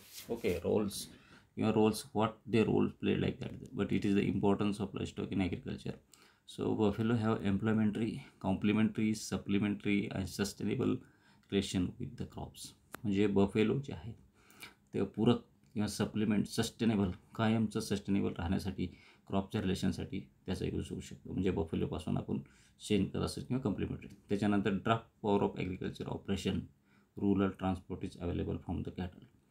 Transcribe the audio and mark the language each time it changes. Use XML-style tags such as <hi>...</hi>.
<en>Okay, roles किंवा roles what they role play like that, but it is the importance of livestock in agriculture. So buffalo have employmentary, complementary, supplementary and sustainable relation with the crops.</en> <mr>म्हणजे buffalo जे आहे ते पूरक किंवा supplement sustainable कायमचं sustainable राहण्यासाठी क्रॉपच्या रिलेशनसाठी त्याचा यूज होऊ शकतो. म्हणजे बफेलोपासून आपण शेणखत असेल किंवा कम्प्लिमेंटरी. त्याच्यानंतर</mr> <en>Draft power of agriculture operation, rural transport is available from the cattle.</en>